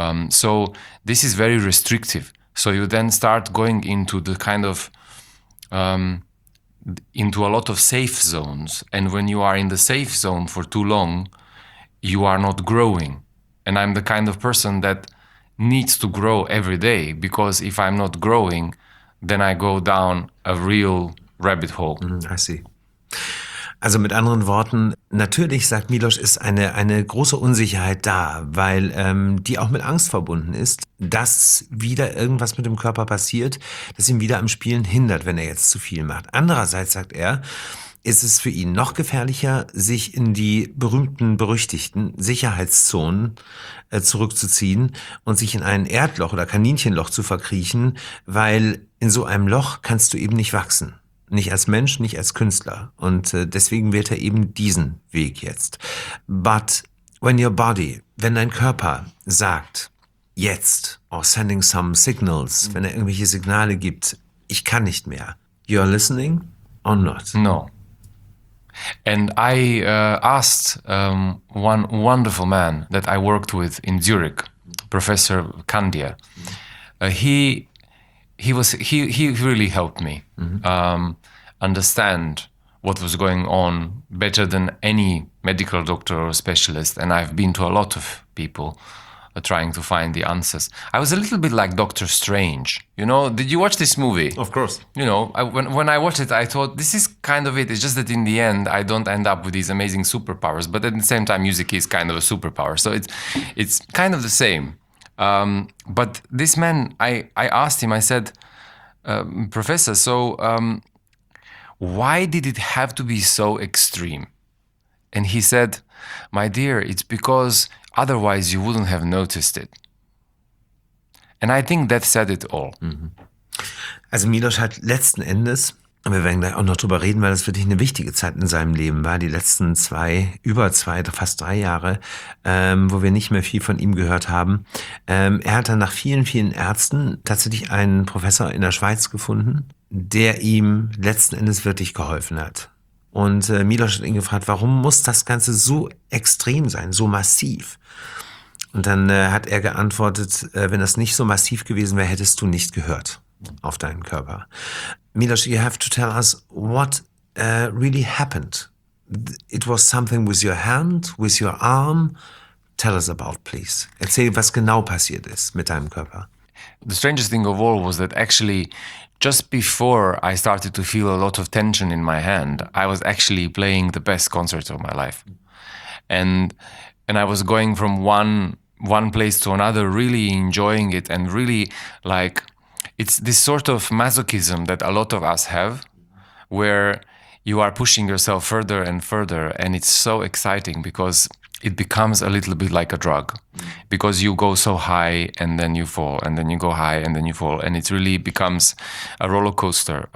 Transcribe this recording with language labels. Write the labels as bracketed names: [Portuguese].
[English] So this is very restrictive. So you then start going into the kind of, into a lot of safe zones. And when you are in the safe zone for too long, you are not growing. And I'm the kind of person that needs to grow every day, because if I'm not growing, then I go down a real rabbit hole. Mm, I see. [German] Also mit anderen Worten, natürlich, sagt Milos, ist eine große Unsicherheit da, weil die auch mit Angst verbunden ist, dass wieder irgendwas mit dem Körper passiert, das ihn wieder am Spielen hindert, wenn er jetzt zu viel macht. Andererseits, sagt er, ist es für ihn noch gefährlicher, sich in die berühmten, berüchtigten Sicherheitszonen zurückzuziehen und sich in ein Erdloch oder Kaninchenloch zu verkriechen, weil in so einem Loch kannst du eben nicht wachsen. Nicht als Mensch, nicht als Künstler. Und deswegen wählt er eben diesen Weg jetzt. [English] But when your body, [German] wenn dein Körper sagt, jetzt, [English] or sending some signals, [German] wenn er irgendwelche Signale gibt, ich kann nicht mehr, [English] you're listening or not? No. And I asked one wonderful man that I worked with in Zurich, Professor Kandia. He really helped me understand what was going on better than any medical doctor or specialist. And I've been to a lot of people trying to find the answers. I was a little bit like Doctor Strange. You know, did you watch this movie? Of course. You know, when I watched it, I thought, this is kind of it. It's just that in the end, I don't end up with these amazing superpowers. But at the same time, music is kind of a superpower. So it's kind of the same. But this man, I asked him, I said, Professor, so why did it have to be so extreme? And he said, my dear, it's because otherwise you wouldn't have noticed it. And I think that said it all. Mm-hmm. [German] Also Milos hat letzten Endes, und wir werden gleich auch noch drüber reden, weil das wirklich eine wichtige Zeit in seinem Leben war, die letzten fast drei Jahre, wo wir nicht mehr viel von ihm gehört haben. Er hat dann nach vielen, vielen Ärzten tatsächlich einen Professor in der Schweiz gefunden, der ihm letzten Endes wirklich geholfen hat. Und Milos hat ihn gefragt, warum muss das Ganze so extrem sein, so massiv? Und dann hat er geantwortet, wenn das nicht so massiv gewesen wäre, hättest du nicht gehört auf deinen Körper. [English] Milos, you have to tell us what really happened. It was something with your hand, with your arm. Tell us about, please. [German] Erzähl, was genau passiert ist mit deinem Körper. [English] The strangest thing of all was that actually just before I started to feel a lot of tension in my hand, I was actually playing the best concerts of my life. And I was going from one place to another, really enjoying it, and really, like, it's this sort of masochism that a lot of us have, where you are pushing yourself further and further, and it's so exciting because it becomes a little bit like a drug, because you go so high and then you fall, and then you go high and then you fall, and it really becomes a roller coaster.